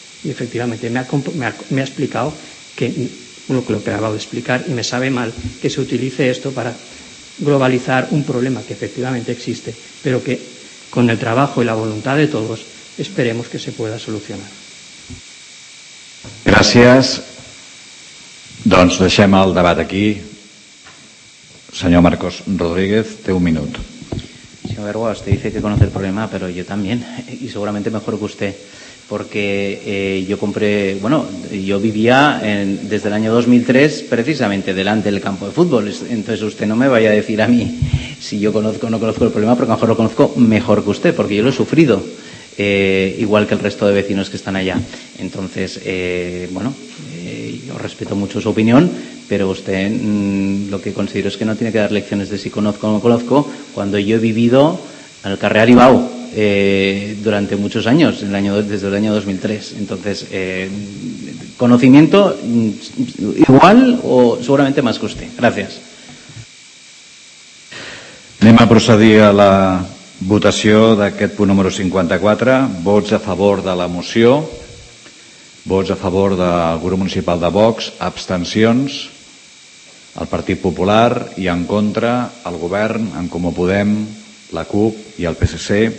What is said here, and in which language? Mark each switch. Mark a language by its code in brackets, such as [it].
[es] Y efectivamente me ha explicado que lo que ha acabado de explicar y me sabe mal que se utilice esto para globalizar un problema que efectivamente existe, pero que con el trabajo y la voluntad de todos esperemos que se pueda solucionar. [ca] Gràcies. Doncs deixem el debat aquí. Senyor Marcos Rodríguez, té un minut. [es] Señor Bergua, usted dice que conoce el problema, pero yo también, y seguramente mejor que usted, porque yo vivía desde el año 2003 precisamente delante del campo de fútbol, entonces usted no me vaya a decir a mí si yo conozco o no conozco el problema, porque a lo mejor lo conozco mejor que usted, porque yo lo he sufrido, igual que el resto de vecinos que están allá. Entonces, yo respeto mucho su opinión, pero usted lo que considero es que no tiene que dar lecciones de si conozco o no conozco, cuando yo he vivido al carrer Aribau durante muchos años, desde el año 2003. Entonces, conocimiento igual o seguramente más que usted. Gracias. [ca] Anem a procedir a la Votació d'aquest punt número 54. Vots a favor de la moció. Vots a favor del grup municipal de Vox. Abstencions. El Partit Popular i en contra el govern, en Comú Podem, la CUP i el PSC.